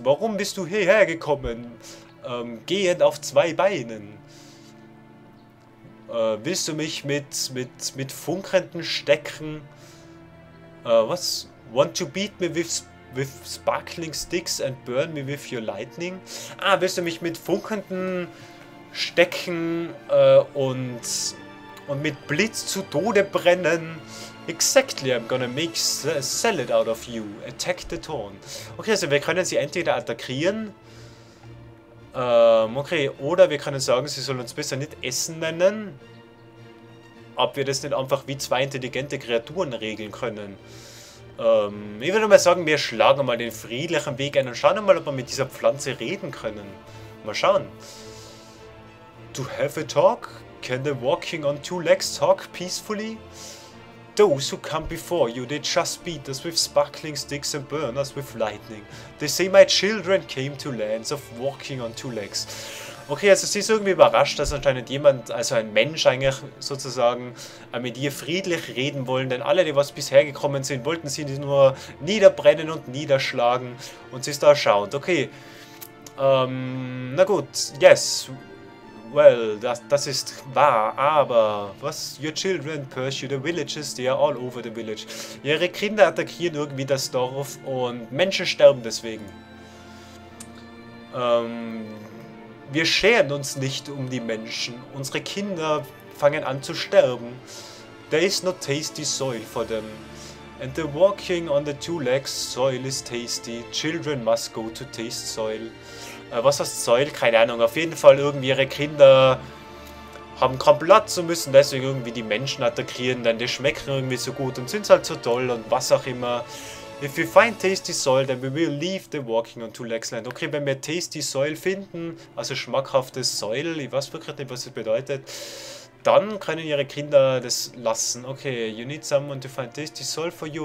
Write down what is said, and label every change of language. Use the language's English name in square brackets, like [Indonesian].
[German] Warum bist du hierher gekommen? Gehend auf 2 Beinen. Willst du mich mit funkelnden Stecken? Was? [English] Want to beat me with sparkling sticks and burn me with your lightning? [German] Ah, willst du mich mit funkelnden Stecken und mit Blitz zu Tode brennen? [English] Exactly, I'm gonna make salad out of you. Attack the Thorn. [German] Okay, also wir können sie entweder attackieren. Okay, oder wir können sagen, sie sollen uns besser nicht Essen nennen. Ob wir das nicht einfach wie zwei intelligente Kreaturen regeln können. Ich würde mal sagen, wir schlagen mal den friedlichen Weg ein und schauen mal, ob wir mit dieser Pflanze reden können. Mal schauen. [English] To have a talk? Can the walking on two legs talk peacefully? Those who come before you, they just beat us with sparkling sticks and burn us with lightning. They say my children came to lands of walking on two legs. [German] Okay, also sie ist irgendwie überrascht, dass anscheinend jemand, also ein Mensch eigentlich sozusagen, mit ihr friedlich reden wollen, denn alle, die was bisher gekommen sind, wollten sie nur niederbrennen und niederschlagen und sie ist da erstaunt. [English] Okay, [German] na gut, [English] yes, well, [German] das ist wahr, aber was, [English] your children pursue the villages, they are all over the village. [German] Ihre Kinder attackieren irgendwie das Dorf und Menschen sterben deswegen. Wir scheren uns nicht um die Menschen. Unsere Kinder fangen an zu sterben. [English] There is no tasty soil for them. And the walking on the two legs, soil is tasty. Children must go to taste soil. [German] Was heißt Soil? Keine Ahnung. Auf jeden Fall irgendwie ihre Kinder haben keinen Platz und müssen deswegen irgendwie die Menschen attackieren, denn die schmecken irgendwie so gut und sind halt so toll und was auch immer. [English] If we find tasty soil, then we will leave the walking on two legs land. [German] Okay, wenn wir tasty soil finden, also schmackhaftes Soil, ich weiß wirklich nicht, was das bedeutet, dann können ihre Kinder das lassen. [English] Okay, you need someone to find tasty soil for you.